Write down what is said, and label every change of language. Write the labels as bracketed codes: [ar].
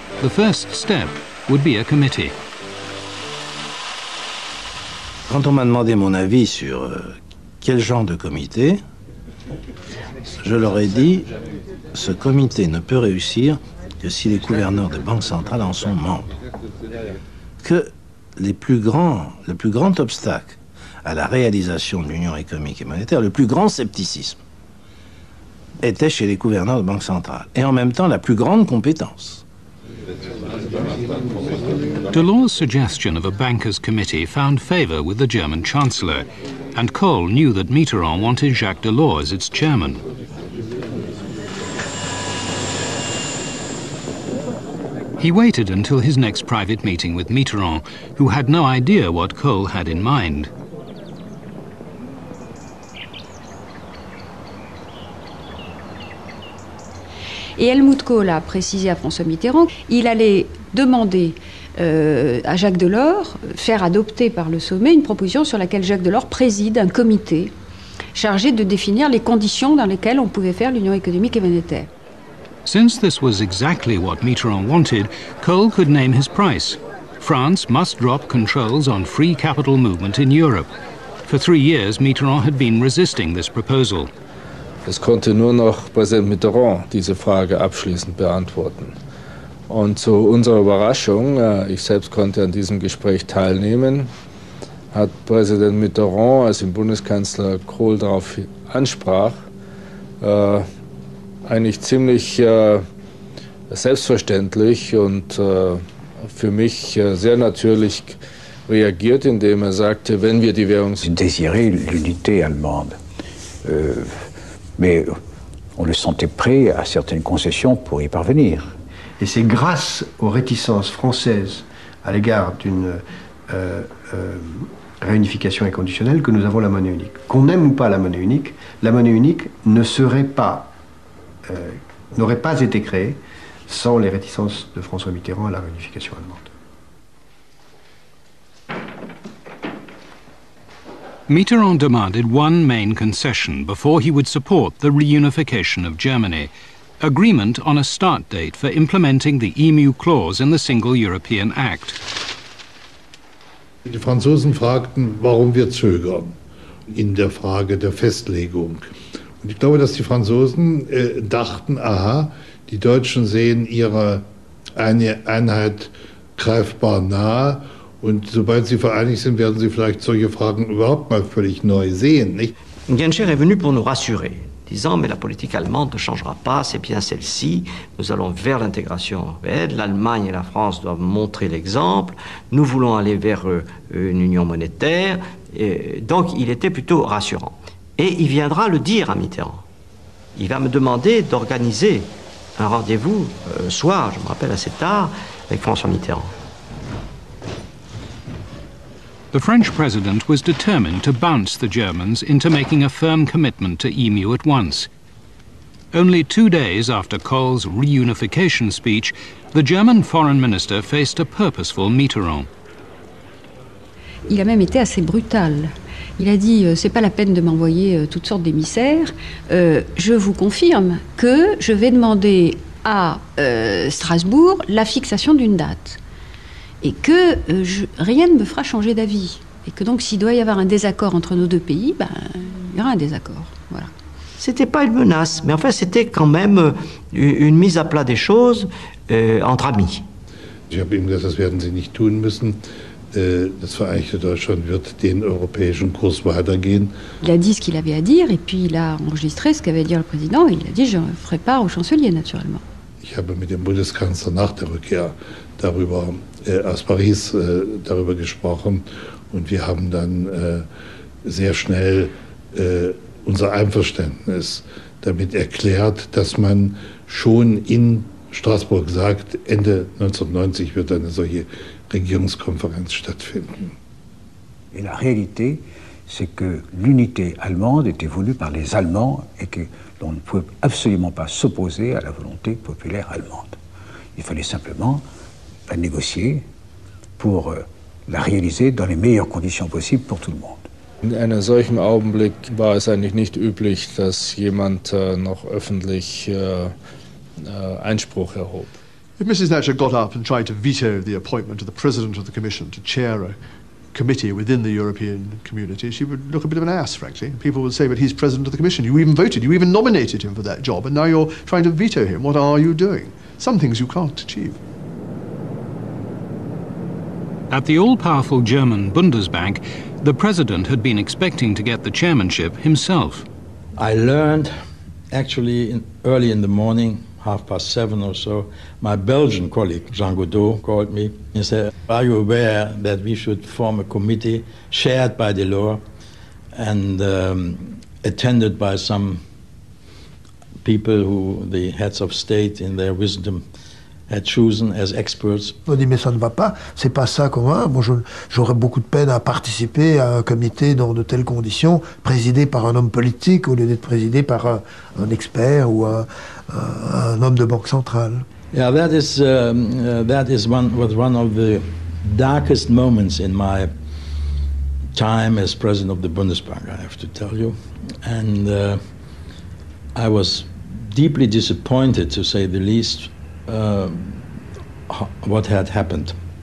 [en] The first step would be a committee. [fr] Quand on m'a demandé mon avis sur quel genre de comité, je leur ai dit, ce comité ne peut réussir que si les gouverneurs des banques centrales en sont membres. Que le plus grand obstacle à la réalisation de l'union économique et monétaire, le plus grand scepticisme, était chez les gouverneurs de banques centrales, et en même temps la plus grande compétence. [en] Delors' suggestion of a bankers' committee found favor with the German Chancellor, and Kohl knew that Mitterrand wanted Jacques Delors as its chairman. He waited until his next private meeting with Mitterrand, who had no idea what Kohl had in mind. [fr] Et Helmut Kohl a précisé à François Mitterrand, il allait demander à Jacques Delors, faire adopter par le sommet une proposition sur laquelle Jacques Delors préside un comité chargé de définir les conditions dans lesquelles on pouvait faire l'union économique et monétaire. [en] Since this was exactly what Mitterrand wanted, Kohl could name his price. France must drop controls on free capital movement in Europe. For 3 years, Mitterrand had been resisting this proposal. [de] Es konnte nur noch Präsident Mitterrand diese Frage abschließend beantworten. Und zu unserer Überraschung, ich selbst konnte an diesem Gespräch teilnehmen, hat Präsident Mitterrand, als ihn Bundeskanzler Kohl darauf ansprach, eigentlich ziemlich selbstverständlich und für mich sehr natürlich reagiert, indem er sagte, wenn wir die Währung... [fr] Sie désirez l'unité allemande. Mais on le sentait prêt à certaines concessions pour y parvenir. Et c'est grâce aux réticences françaises à l'égard d'une réunification inconditionnelle que nous avons la monnaie unique. Qu'on aime ou pas la monnaie unique ne serait pas, n'aurait pas été créée sans les réticences de François Mitterrand à la réunification allemande. [en] Mitterrand demanded one main concession before he would support the reunification of Germany. Agreement on a start date for implementing the EMU clause in the Single European Act. [de] Die Franzosen fragten, warum wir zögern. in der Frage der Festlegung. Und ich glaube, dass die Franzosen dachten, aha, die Deutschen sehen ihre Einheit greifbar nahe. Und sobald sie vereinigt sind, werden sie vielleicht solche Fragen überhaupt mal völlig neu sehen, nicht? [fr] Genscher est venu pour nous rassurer, disant, mais la politique allemande ne changera pas, c'est bien celle-ci, nous allons vers l'intégration européenne, l'Allemagne et la France doivent montrer l'exemple, nous voulons aller vers une union monétaire, et donc il était plutôt rassurant. Et il viendra le dire à Mitterrand. Il va me demander d'organiser un rendez-vous, soir, je me rappelle assez tard, avec François Mitterrand. [en] The French president was determined to bounce the Germans into making a firm commitment to EMU at once. Only 2 days after Kohl's reunification speech, the German foreign minister faced a purposeful Mitterrand. [fr] Il a même été assez brutal. Il a dit, c'est pas la peine de m'envoyer toutes sortes d'émissaires. Je vous confirme que je vais demander à Strasbourg la fixation d'une date. Et que rien ne me fera changer d'avis. Et que donc, s'il doit y avoir un désaccord entre nos deux pays, ben, il y aura un désaccord. Voilà. C'était pas une menace, mais en fait, c'était quand même une mise à plat des choses entre amis. [de] Ich habe ihm gesagt, das werden Sie nicht tun müssen. Das Vereinigte Deutschland wird den europäischen Kurs weitergehen. [fr] Il a dit ce qu'il avait à dire, et puis il a enregistré ce qu'avait à dire le président, et il a dit, je ferai part au chancelier, naturellement. [de] Ich habe mit dem Bundeskanzler nach der Rückkehr darüber aus Paris darüber gesprochen und wir haben dann sehr schnell unser Einverständnis damit erklärt, dass man schon in Straßburg sagt, Ende 1990 wird eine solche Regierungskonferenz stattfinden. [fr] Et la réalité, c'est que l'unité allemande était voulue par les Allemands et que l'on ne pouvait absolument pas s'opposer à la volonté populaire allemande. Il fallait simplement la négocier pour la réaliser dans les meilleures conditions possibles pour tout le monde. [de] In einem solchen Augenblick war es eigentlich nicht üblich, dass jemand noch öffentlich Einspruch erhob. [en] If Mrs. Thatcher got up and tried to veto the appointment of the president of the commission to chair a committee within the European community, she would look a bit of an ass, frankly. People would say, but he's president of the commission. You even voted, you even nominated him for that job, and now you're trying to veto him. What are you doing? Some things you can't achieve. At the all-powerful German Bundesbank, the president had been expecting to get the chairmanship himself. I learned, actually, early in the morning, 7:30 or so, my Belgian colleague, Jean Godot, called me and said, are you aware that we should form a committee chaired by Delors and attended by some people who the heads of state in their wisdom had chosen as experts. [fr] Il m'a dit, mais ça ne va pas, c'est pas ça qu'on va. Moi, j'aurais beaucoup de peine à participer à un comité dans de telles conditions, présidé par un homme politique au lieu d'être présidé par un expert ou un homme de banque centrale. [en] Yeah, that is one of the darkest moments in my time as president of the Bundesbank, I have to tell you. And I was deeply disappointed, to say the least, what had happened.